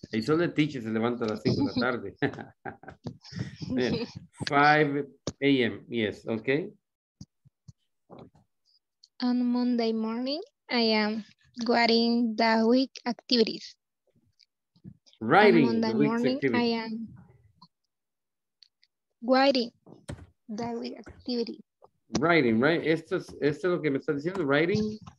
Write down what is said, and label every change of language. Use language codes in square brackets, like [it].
[es] Ahí solo el teacher se levanta a las 5 de la tarde. [en] 5 a.m. Yes, ok. On Monday morning, I am writing the week activities. Writing on Monday morning, activity. I am writing the week activities. Writing, right? [es] Esto es lo que me está diciendo, writing?